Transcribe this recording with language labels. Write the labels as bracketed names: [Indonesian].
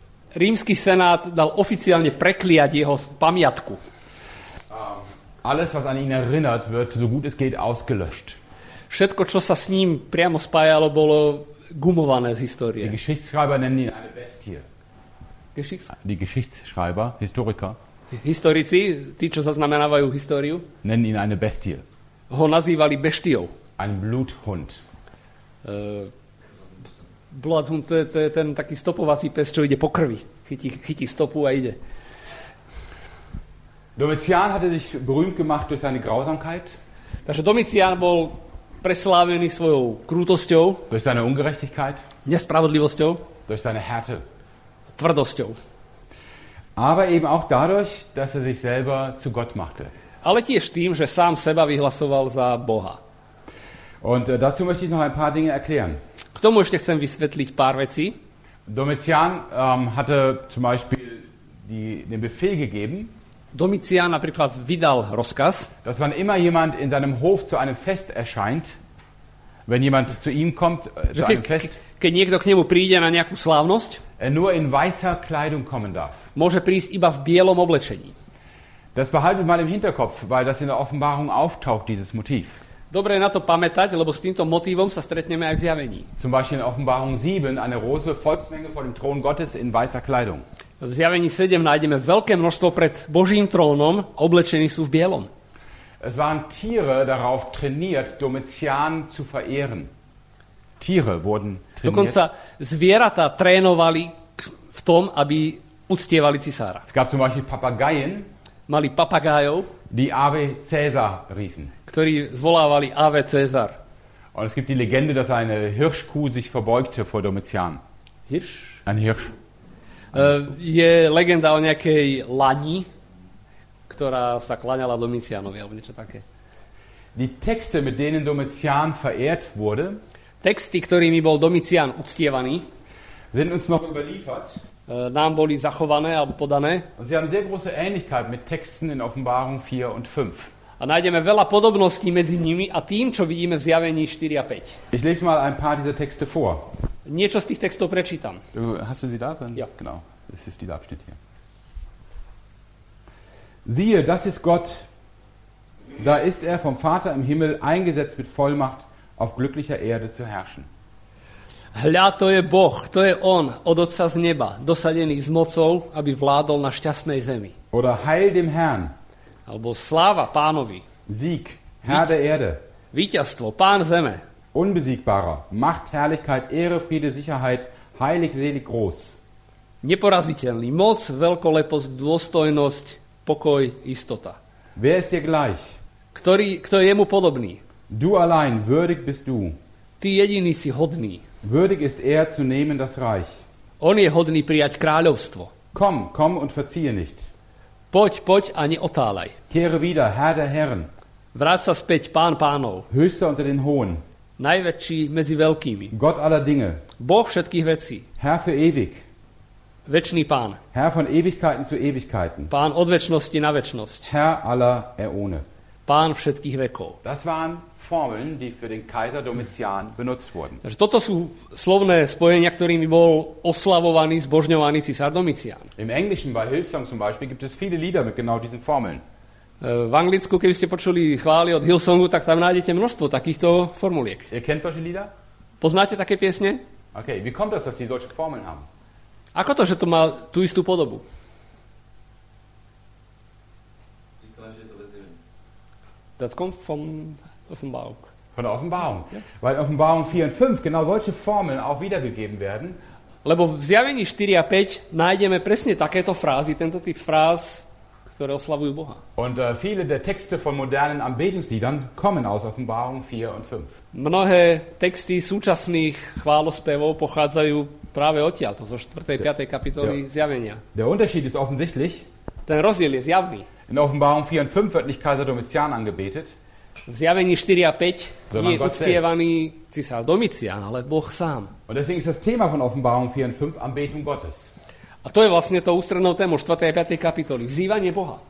[Slovak] Rímsky senát dal oficiálne prekliať jeho pamiatku. [German] Alles, was an ihn erinnert wird, so gut es geht, ausgelöscht. [Slovak] Všetko, čo sa s ním priamo spájalo, bolo gumované z histórie. [German] Die Geschichtsschreiber nennen ihn eine Bestie. Die Geschichtsschreiber, Historiker. [Slovak] Historici, tí, čo zaznamenávajú históriu, [German] nennen ihn eine Bestie. [Slovak] Ho nazývali beštiou. [German] Ein Bluthund. [Slovak] Bloodhund, to je ten taký stopovací pes, čo ide po krvi. Chytí stopu a ide. [German] Domitian hatte sich berühmt gemacht durch seine Grausamkeit. [Slovak] Takže Domitian bol preslávený svojou krutosťou. [German] Durch seine Ungerechtigkeit. [Slovak] Nespravodlivosťou. [German] Durch seine Härte. [Slovak] Tvrdosťou. [German] Aber eben auch dadurch, dass sich selber zu Gott machte. [Slovak] Ale tiež tým, že sám seba vyhlasoval za Boha. [German] Und dazu möchte ich noch ein paar Dinge erklären. [Slovak] K tomu ešte chcem vysvetliť pár vecí. [German] Domitian hatte zum Beispiel den Befehl gegeben. [Slovak] Domitian napríklad vydal rozkaz, [German] dass wenn immer jemand in seinem Hof zu einem Fest erscheint, wenn jemand zu ihm kommt, zu einem Fest, [Slovak] keď niekto k nemu príde na nejakú slávnosť, [German] er nur in weißer Kleidung kommen darf. [Slovak] Môže prísť iba v bielom oblečení. [German] Das behaltet mal im Hinterkopf, weil das in der Offenbarung auftaucht, dieses Motiv. [Slovak] Dobre na to pamätať, lebo s týmto motívom sa stretneme aj v zjavení. [German] Zum Beispiel in Offenbarung 7 eine große Volksmenge vor dem Thron Gottes in weißer Kleidung. [Slovak] V zjavení 7 nájdeme veľké množstvo pred Božím trónom, oblečení sú v bielom. [German] Es waren Tiere darauf trainiert, Domitian zu verehren. Tiere wurden trainiert. [Slovak] Dokonca zvieratá trénovali v tom, aby uctievali cisára. [German] Es gab zum Beispiel Papageien, [Slovak] mali papagájov, [German] die Ave Caesar riefen, [Slovak] ktorí zvolávali Ave Caesar. [German] Und es gibt die Legende, dass eine Hirschkuh sich verbeugte vor Domitian. Hirsch? Ein Hirsch. [Slovak] Je legenda o nejakej lani, ktorá sa kláňala Domitianovi, alebo niečo také. [German] Die Texte, mit denen Domitian verehrt wurde, [Slovak] texty, ktorými bol Domitian uctievaný, [German] sind uns noch überliefert, [Slovak] nám boli zachované alebo podané. [German] Und sie haben sehr große Ähnlichkeit mit Texten in Offenbarung 4 und 5. [Slovak] A nájdeme veľa podobností medzi nimi a tým, čo vidíme v zjavení 4 a 5. [German] Ich lese mal ein paar dieser Texte vor. [Slovak] Niečo z tých textov prečítam. [German] Hast du sie da? Dann? Ja. Genau. Das ist dieser Abschnitt hier. Siehe, das ist Gott. Da ist er vom Vater im Himmel eingesetzt mit Vollmacht auf glücklicher Erde zu herrschen. [Slovak] Hľa, to je Boh, to je On, od Otca z neba, dosadený s mocou, aby vládol na šťastnej zemi. [German] Oder heil dem Herrn. [Slovak] Albo sláva Pánovi. [German] Sieg, Herr der Erde. [Slovak] Víťazstvo, Pán zeme. [German] Unbesiegbarer, Macht, Herrlichkeit, Ehre, Friede, Sicherheit, heilig, selig, groß. [Slovak] Neporaziteľný, moc, veľkolepost, dôstojnosť, pokoj, istota. [German] Wer ist dir gleich? [Slovak] Kto je mu podobný? [German] Du allein, würdig bist du. [Slovak] Ty jediný si hodný. [German] Würdig ist er zu nehmen das Reich. [Slovak] On je hodný prijať kráľovstvo. [German] Komm, komm und verziehe nicht. [Slovak] Poď a neotálaj. [German] Kehre wieder, Herr der Herren. [Slovak] Vráť sa späť, Pán pánov. [German] Höchster unter den Hohen. [Slovak] Najväčší medzi veľkými. [German] Gott aller Dinge. [Slovak] Boh všetkých vecí. [German] Herr für ewig. [Slovak] Večný Pán. [German] Herr von Ewigkeiten zu Ewigkeiten. [Slovak] Pán od večnosti na večnosť. [German] Herr aller Äone. [Slovak] Pán všetkých vekov. [German] Das waren Formeln, die für den Kaiser Domitian benutzt wurden. [Slovak] Takže toto sú slovné spojenia, ktorými bol oslavovaný, zbožňovaný cisár Domitian. [German] Im Englischen bei Hillsong zum Beispiel gibt es viele Lieder mit genau diesen Formeln. [Slovak] V Anglicku, keby ste počuli chvály od Hillsongu, tak tam nájdete množstvo takýchto formuliek. [German] Ihr kennt solche Lieder? [Slovak] Poznáte také piesne? [German] Okay, wie kommt das, dass sie solche Formeln haben? [Slovak] Ako to, že to má tú istú podobu? [English] That comes from Offenbarung. [German] Von der Offenbarung. Ja. Weil in Offenbarung 4 und 5 genau solche Formeln auch wiedergegeben werden. [Slovak] Lebo v zjavení 4 a 5 nájdeme presne takéto frázy, tento typ fráz, ktoré oslavujú Boha. [German] Und viele der Texte von modernen Anbetungsliedern kommen aus Offenbarung 4 und 5. [Slovak] Mnohé texty súčasných chválospevov pochádzajú práve odtiaľto, zo 4. 5. kapitoly zjavenia. [German] Der Unterschied ist offensichtlich. [Slovak] Ten rozdiel je zjavný. [German] In Offenbarung 4 und 5 wird nicht Kaiser Domitian angebetet. [Slovak] V zjavení 4 a 5 je uctievaný císar Domitian, ale Boh sám. [German] Und deswegen ist das Thema von Offenbarung 4 und 5 Anbetung Gottes. [Slovak] A to je vlastne to ústrednou tému 4. a 5. kapitoly. Vzývanie Boha.